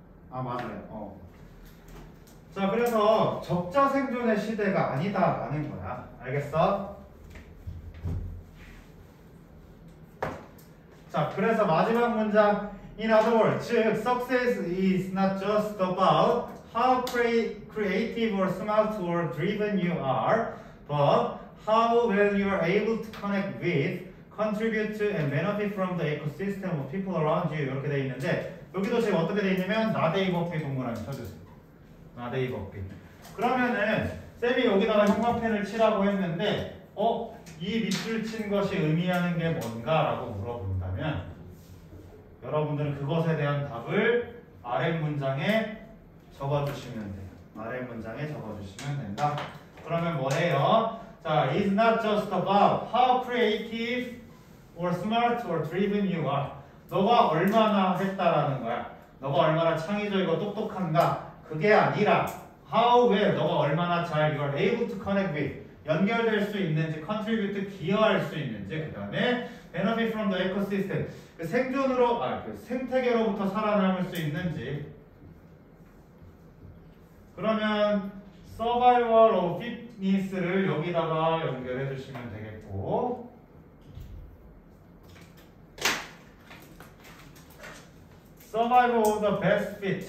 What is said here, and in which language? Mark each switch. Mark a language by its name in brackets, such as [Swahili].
[Korean] 아, 맞아요. 자, 그래서 적자 생존의 시대가 아니다 라는 거야. 알겠어? [English] 자, 그래서 마지막 문장 In other words, 즉, success is not just about how creative or smart or driven you are, but how well you are able to connect with, contribute to, and benefit from the ecosystem of people around you. [Korean] 이렇게 돼 있는데 여기도 지금 어떻게 돼 있냐면 나데이 버핏 동그라미 쳐주세요. 나데이 법비. 그러면은 쌤이 여기다가 형광펜을 치라고 했는데 이 밑줄 친 것이 의미하는 게 뭔가? 라고 물어본다면 여러분들은 그것에 대한 답을 아랫문장에 적어주시면 돼요. 아랫문장에 적어주시면 된다. 그러면 뭐예요? [English] 자, is not just about how creative or smart or driven you are. [Korean] 너가 얼마나 했다라는 거야. 너가 얼마나 창의적이고 똑똑한가. 그게 아니라 [English] how well [Korean] 너가 얼마나 잘 [English] you are able to connect with [Korean] 연결될 수 있는지 contribute 기여할 수 있는지 그 다음에 [English] benefit from the ecosystem [Korean] 그 생존으로 그 생태계로부터 살아남을 수 있는지 그러면 [English] survival of fitness [Korean] 를 여기다가 연결해 주시면 되겠고 [English] Survival of the best fit.